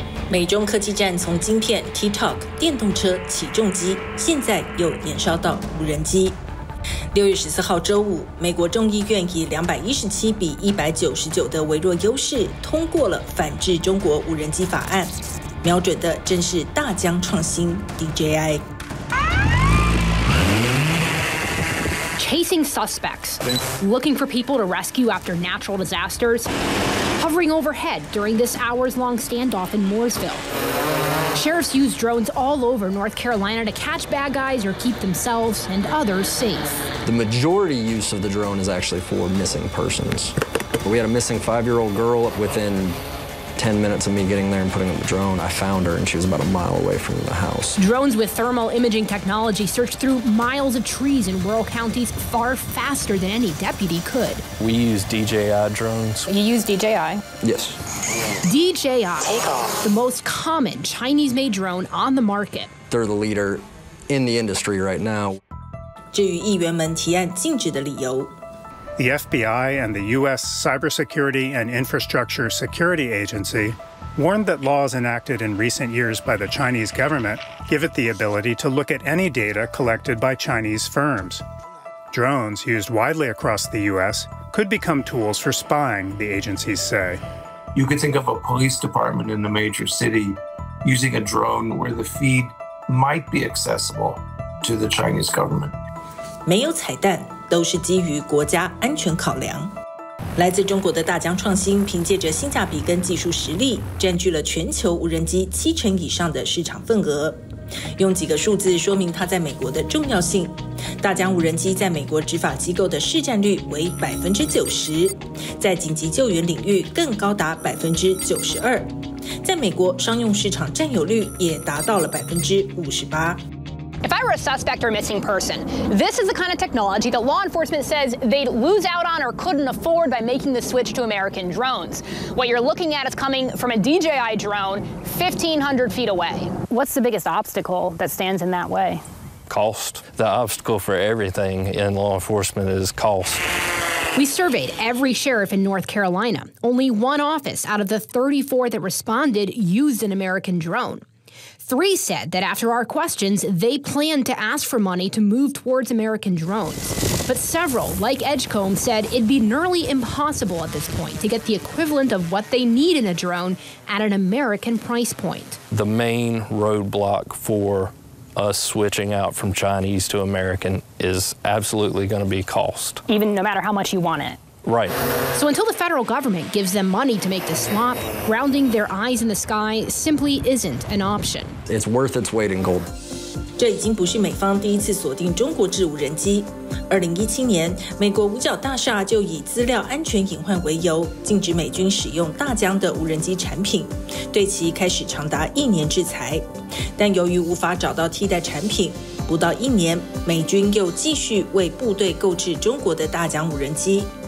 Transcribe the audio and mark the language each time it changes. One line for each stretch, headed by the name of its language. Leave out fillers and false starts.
Chinese: 美中科技战从晶片、TikTok、电动车、起重机，现在又延烧到无人机。 6月14号周五，美国众议院以217-199的微弱优势通过了反制中国无人机法案，瞄准的正是大疆创新 DJI。
English: Chasing suspects, looking for people to rescue after natural disasters, hovering overhead during this hours-long standoff in Mooresville. Sheriffs use drones all over North Carolina to catch bad guys or keep themselves and others safe. The majority use of the drone is actually for missing persons. We had a missing 5-year-old girl within 10 minutes of me getting there and putting up the drone. I found her and she was about a mile away from the house. Drones with thermal imaging technology search through miles of trees in rural counties far faster than any deputy could. We use DJI drones. You use DJI? Yes. DJI, the most common Chinese-made drone on the market. They're the leader in the industry right now.
Chinese: 至于议员们提案禁止的理由，
English: The FBI and the U.S. Cybersecurity and Infrastructure Security Agency warned that laws enacted in recent years by the Chinese government give it the ability to look at any data collected by Chinese firms. Drones used widely across the U.S. could become tools for spying, the agencies say. You could think of a police department in a major city using a drone where the feed might be accessible to the Chinese government.
Chinese: 没有彩蛋。都是基于国家安全考量。来自中国的大疆创新凭借着性价比跟技术实力，占据了全球无人机70%以上的市场份额。用几个数字说明它在美国的重要性。大疆无人机在美国执法机构的市占率为90%，在紧急救援领域更高达92%，在美国商用市场占有率也达到了58%。
English: If I were a suspect or missing person, this is the kind of technology that law enforcement says they'd lose out on or couldn't afford by making the switch to American drones. What you're looking at is coming from a DJI drone 1,500 feet away. What's the biggest obstacle that stands in that way? Cost. The obstacle for everything in law enforcement is cost. We surveyed every sheriff in North Carolina. Only one office out of the 34 that responded used an American drone. Three said that after our questions, they planned to ask for money to move towards American drones. But several, like Edgecombe, said it'd be nearly impossible at this point to get the equivalent of what they need in a drone at an American price point. The main roadblock for us switching out from Chinese to American is absolutely going to be cost. Even no matter how much you want it. Right. So until the federal government gives them money to make the swap, grounding their eyes in the sky simply isn't an option. It's worth its weight in gold.
Chinese: 这已经不是美方第一次锁定中国制无人机。2017年，美国五角大厦就以资料安全隐患为由，禁止美军使用大疆的无人机产品，对其开始长达1年制裁。但由于无法找到替代产品，不到1年，美军又继续为部队购置中国的大疆无人机。